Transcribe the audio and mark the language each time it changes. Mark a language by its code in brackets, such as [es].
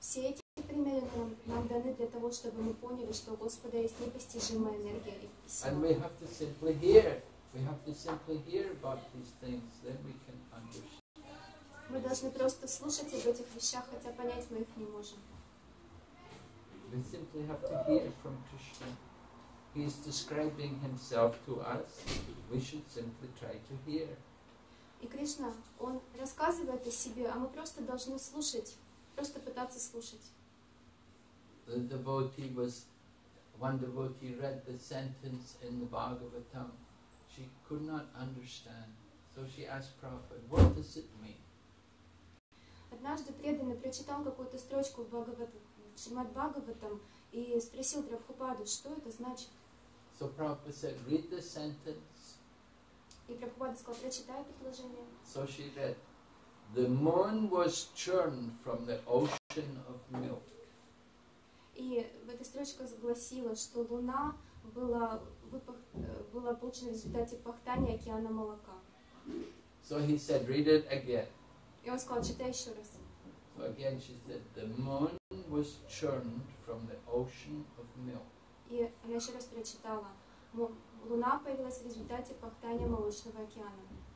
[ru] Все эти примеры нам даны для того, чтобы мы поняли, что у Господа есть непостижимая энергия и сила. [en] And we have to simply hear. We have to simply hear about these things, then we can understand. [ru] Мы должны просто слушать об этих вещах, хотя понять мы их не можем. [en] We simply have to hear from Krishna. He is describing himself to us. We should simply try to hear. [ru] И Кришна, он рассказывает о себе, а мы просто должны слушать, просто пытаться слушать. [en] The devotee was, one devotee read the sentence in the Bhagavatam. She could not understand. So she asked Prabhupada, what does it mean? [ru] Однажды преданный прочитал какую-то строчку в Бхагаватам и спросил Прабхупаду, что это значит? [en] So Prabhupada said, read the sentence. [ru] И Прабхупада сказал, прочитай предложение. [en] So she read, the moon was churned from the ocean of milk. [ru] И в этой строчке гласила, что луна была была получена в результате пахтания океана молока. [en] So he said, read it again. [ru] И он сказал, читай еще раз. [en] So again she said, the moon was churned from the ocean of milk. [ru] И она еще раз прочитала, луна появилась в результате пахтания молочного океана.